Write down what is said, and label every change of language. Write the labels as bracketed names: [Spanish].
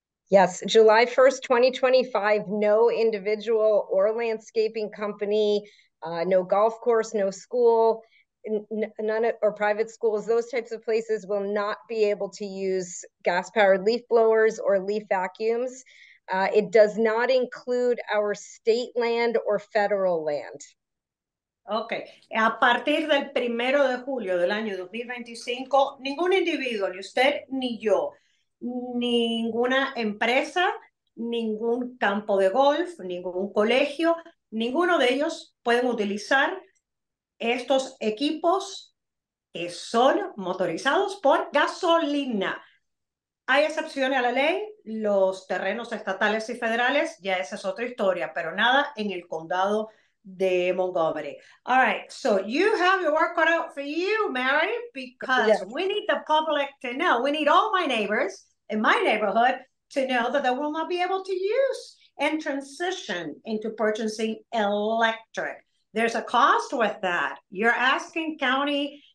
[English] Yes, July 1st, 2025, no individual or landscaping company, no golf course, no school, none of, or private schools, those types of places will not be able to use gas-powered leaf blowers or leaf vacuums. It does not include our state land or federal land. Okay. [Spanish] A partir del primero de julio del año 2025, ningún individuo, ni usted ni yo, ninguna empresa, ningún campo de golf, ningún colegio, ninguno de ellos pueden utilizar estos equipos que son motorizados por gasolina. Hay excepciones a la ley, los terrenos estatales y federales, ya esa es otra historia, pero nada en el condado de Montgomery. [English] All right, so you have your work cut out for you, Mary, because yes, we need the public to know, we need all my neighbors in my neighborhood to know that they will not be able to use and transition into purchasing electric. There's a cost with that. You're asking county